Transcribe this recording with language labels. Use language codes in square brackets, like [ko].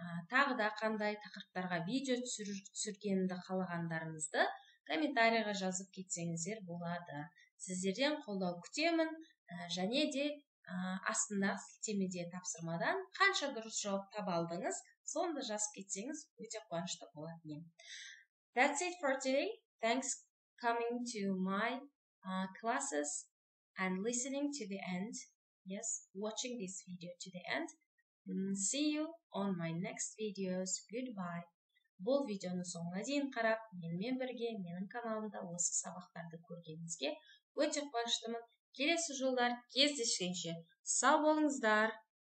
[kk] Тағы да қандай тақырыптарға видео түсіргенімді қалағандарыңызды комментарияға жазып кетсеңіздер болады. Сіздерден қолдау күтемін, және де астында сілтемеде тапсырмадан қанша дұрыс жауап табалдыңыз, сонда жазып кетсеңіз өте қуанышты болады мен. [en] That's it for today. Thanks coming to my classes and listening to the end. Yes, watching this video to the end. See you on my next videos. Goodbye. [kk] Бұл видеоны соңына дейін қарап, менімен бірге менің каналымда осы сабақтарды көргеніңізге өте қуаныштымын. Келесі жолдар кездескенше. Сау болыңыздар!